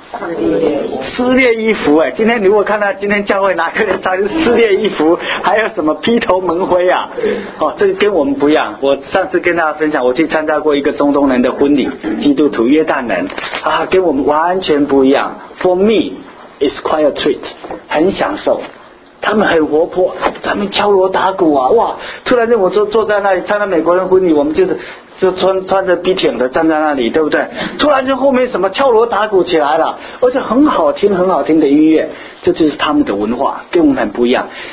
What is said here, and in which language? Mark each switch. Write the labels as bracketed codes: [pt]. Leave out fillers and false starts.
[zh] 撕裂衣服。哎，今天你如果看到今天教会哪个人穿撕裂衣服，还有什么披头蒙灰啊？哦，这跟我们不一样。我上次跟大家分享，我去参加过一个中东人的婚礼，基督徒约旦人啊，跟我们完全不一样。 [en] For me。 It's quite a treat， [zh] 很享受。他们很活泼，他们敲锣打鼓啊，哇！突然间我坐在那里参加美国人婚礼，我们就穿着笔挺的站在那里，对不对？突然间后面什么敲锣打鼓起来了，而且很好听，很好听的音乐，这就是他们的文化，跟我们很不一样。